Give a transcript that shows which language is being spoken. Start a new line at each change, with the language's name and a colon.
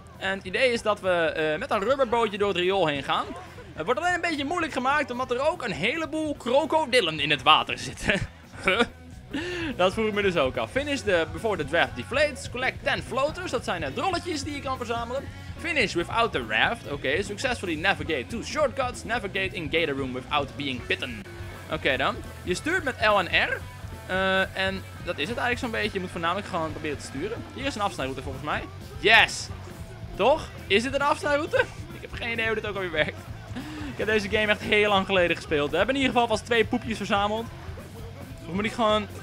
Dutch: En het idee is dat we met een rubberbootje door het riool heen gaan. Het wordt alleen een beetje moeilijk gemaakt omdat er ook een heleboel krokodillen in het water zitten. Dat vroeg ik me dus ook af.
English: Finish the, before the draft deflates, collect 10 floaters,
Dutch: dat zijn drolletjes die je kan verzamelen.
English: Finish without the raft. Oké, successfully navigate two shortcuts. Navigate in Gator Room without being bitten.
Dutch: Oké, dan. Je stuurt met L en R. En dat is het eigenlijk zo'n beetje. Je moet voornamelijk gewoon proberen te sturen. Hier is een afsnijroute volgens mij. Yes! Toch? Is dit een afsnijroute? Ik heb geen idee hoe dit ook alweer werkt. Ik heb deze game echt heel lang geleden gespeeld. We hebben in ieder geval vast twee poepjes verzameld. Of moet ik gewoon...